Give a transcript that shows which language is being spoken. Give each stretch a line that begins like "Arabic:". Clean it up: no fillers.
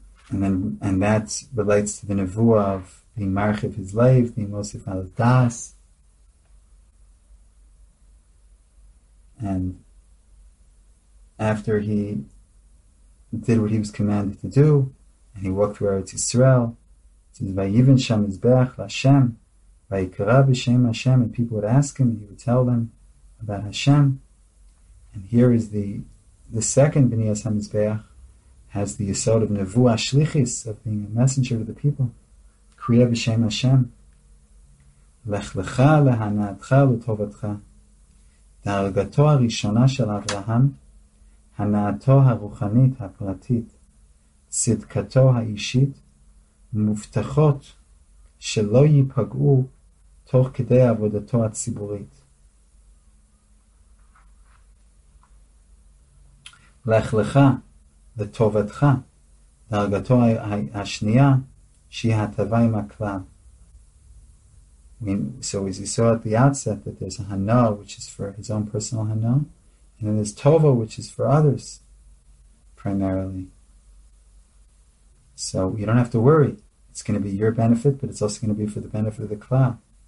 English: And that relates to the nevuah of the marchiv his life, the mosif al das, and after he did what he was commanded to do, and he walked through Eretz Yisrael, it says,
Hebrew: Vayivin Shem Mizbeach Lashem, Vayikra B'Shem Hashem,
English: and people would ask him, and he would tell them about Hashem. And here is the second B'niyas HaMizbeach, has the Yisod of Nevuah Shlichis, of being a messenger to the people, Kriya B'Shem Hashem.
Hebrew: Lech Lecha Lehanaatcha L'Tovatcha, Dargato HaRishona Shel Avraham, הנאתו הרוחנית הפרטית, צדקתו האישית, מובטחות שלא ייפגעו תוך כדי עבודתו הציבורית. לך לך, לטובתך, דרגתו השנייה, שהיא הטבה עם הכלל.
English: So as you saw at the outset that there's a hanah, which is for his own personal hanah, and then there's Tova, which is for others, primarily. So you don't have to worry. It's going to be your benefit, but it's also going to be for the benefit of the klal.